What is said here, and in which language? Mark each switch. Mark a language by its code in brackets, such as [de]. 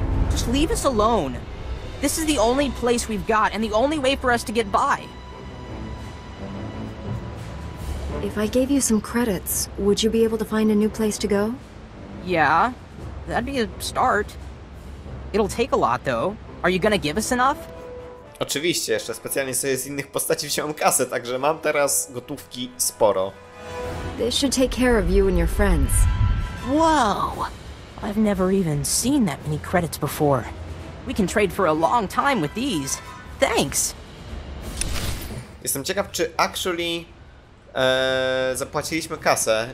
[en] Just leave us alone! This is the only place we've got, and the only way for us to get by. If I gave you some credits, would you be able to find a new place to go? Yeah, that'd be a start. It'll take a lot, though. Are you gonna give us enough? [pl] Oczywiście, jeszcze specjalnie sobie z innych postaci wziąłem kasę, także mam teraz gotówki sporo. [en] This should take care of you and your friends. Whoa! I've never even seen that many credits before. We can trade for a long time with these. Thanks. [pl] Jestem ciekaw, czy actually zapłaciliśmy kasę.